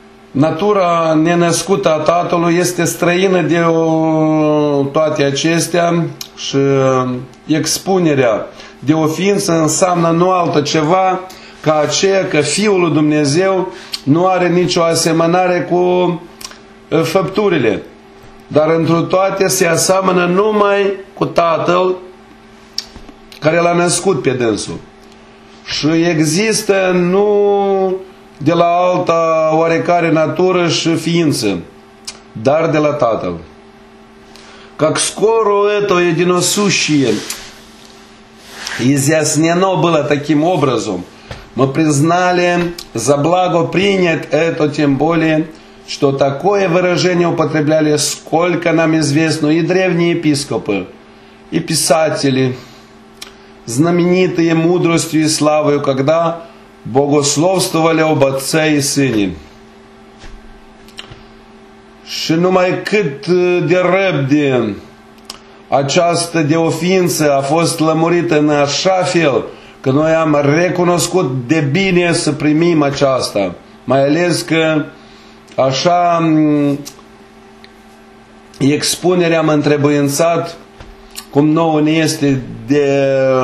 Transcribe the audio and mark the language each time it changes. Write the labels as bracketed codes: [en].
[ro] Natura nenăscută a Tatălui este străină de toate acestea și expunerea de o ființă înseamnă nu altceva ca aceea că Fiul lui Dumnezeu nu are nicio asemănare cu făpturile, dar întru toate se aseamănă numai cu Tatăl care l-a născut pe dânsul. Și există nu de la alta oarecare natură și ființă, dar de la Tatăl. [ru] Как скоро это единосущие изъяснено было таким образом, мы признали за благо принять это, тем более, что такое выражение употребляли, сколько нам известно, и древние епископы, и писатели, знаменитые мудростью и славою, когда богословствовали об Отце и Сыне. [ro] Și numai cât de repede această de o ființă a fost lămurită în așa fel că noi am recunoscut de bine să primim aceasta, mai ales că așa expunerea am întrebuințat cum nouă ne este de